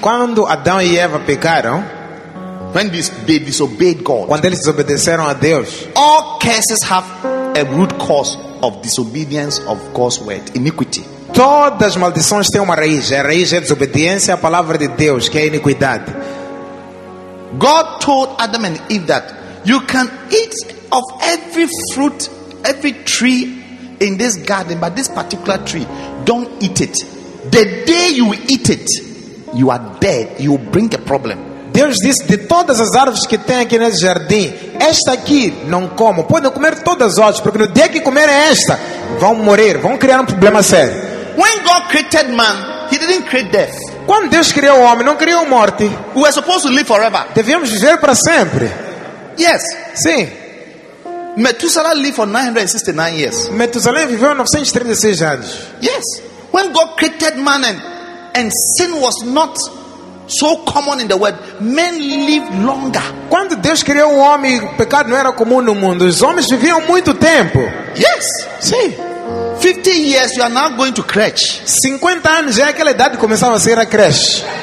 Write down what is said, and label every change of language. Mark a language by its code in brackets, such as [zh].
[pt] Quando Adão e Eva pecaram. [en] When they disobeyed God. [pt] Quando eles desobedeceram a Deus. [en] All curses have a root cause of disobedience of God's word, iniquity. [pt] Todas as maldições têm uma raiz. A raiz é a desobediência à palavra de Deus, que é a iniquidade. [en] God told Adam and Eve that you can eat of every fruit, every tree in this garden, but this particular tree, don't eat it. The day you eat it, you are dead. You bring a problem. [pt] Deus disse, de todas as árvores que tem aqui nesse jardim, esta aqui não como. Podem comer todas as outras, porque no dia que comerem esta, vão morrer, vão criar um problema sério. [en] When God created man, he didn't create death. [pt] Quando Deus criou o homem, não criou morte. [en] We were supposed to live forever. [pt] Devíamos viver para sempre. [en] Yes. [pt] Sim. [en] Methuselah lived for 969 years. [pt] Methuselah viveu 936 anos. [en] Yes. When God created man and sin was not so common in the world, men live longer. [pt] Quando Deus criou o homem, o pecado não era comum no mundo. Os homens viviam muito tempo. [en] Yes. [pt] Sim. [en] 50 years you are now going to creche. [pt] 50 anos já é aquela idade que começava a ser a creche.